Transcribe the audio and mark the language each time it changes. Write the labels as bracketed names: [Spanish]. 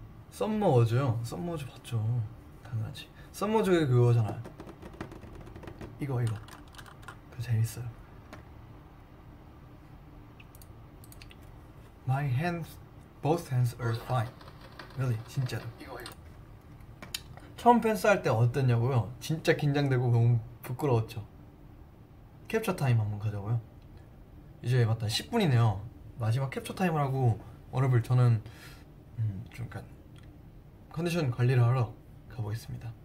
[Korean] 썸머워즈요? 썸머워즈 봤죠, 당연하지. 썸머워즈 그거잖아요, 이거 그거 재밌어요. [English] My hands, both hands are fine. [Korean] Really, 진짜로. 처음 팬싸 할때 어땠냐고요? 진짜 긴장되고 너무 부끄러웠죠. 캡처 타임 한번 가자고요. 이제 맞다, 10분이네요. 마지막 캡처 타임을 하고 워너블, 저는 좀 약간 컨디션 관리를 하러 가보겠습니다.